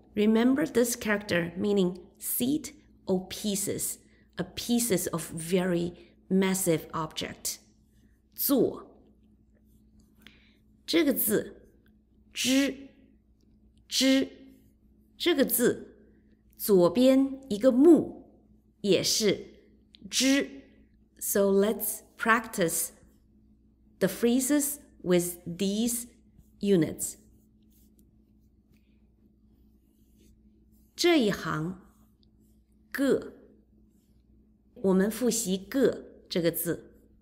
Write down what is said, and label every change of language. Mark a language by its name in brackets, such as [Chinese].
[English] Remember this character meaning seat or pieces, a pieces of very massive object. 坐。 [Chinese] 这个字，支，支，这个字，左边一个木，也是支。 [English] So let's practice the phrases with these units. [Chinese] 这一行，个，我们复习"个"这个字。